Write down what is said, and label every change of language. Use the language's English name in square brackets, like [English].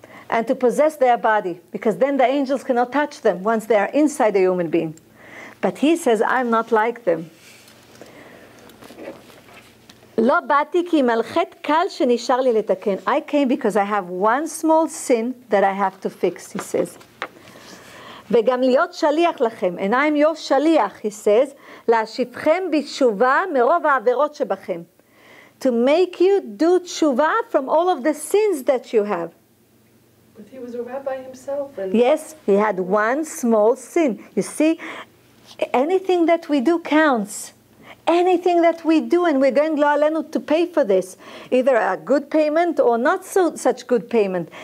[English] And to possess their body, because then the angels cannot touch them once they are inside a human being. But he says, I'm not like them. [Hebrew] Lo bati ki malchet kal shenishar li letaken. [English] I came because I have one small sin that I have to fix, he says. [Hebrew] וגם להיות שליח לכם. [English] And I'm your שליח, he says, [Hebrew] להשיבכם בתשובה מרוב העבירות שבכם. [English] To make you do תשובה from all of the sins that you have. But he was a rabbi himself. And yes, he had one small sin. You see, anything that we do counts. anything that we do, and we're going to pay for this, either a good payment or not so such good payment.